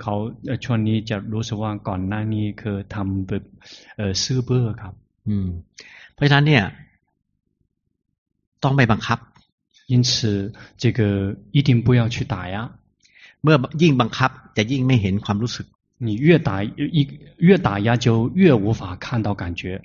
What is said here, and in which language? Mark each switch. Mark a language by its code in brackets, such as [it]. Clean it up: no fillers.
[th] เขาช่วงนี้จะรู้สึกว่าก่อนหน้านี้คือทำแบบซื่อเบ้อครับ เพราะฉะนั้นเนี่ยต้องไปบังคับ [zh] 因此这个一定不要去打压 [th] เมื่อยิ่งบังคับจะยิ่งไม่เห็นความรู้สึก [zh] 你越打压就越无法看到感觉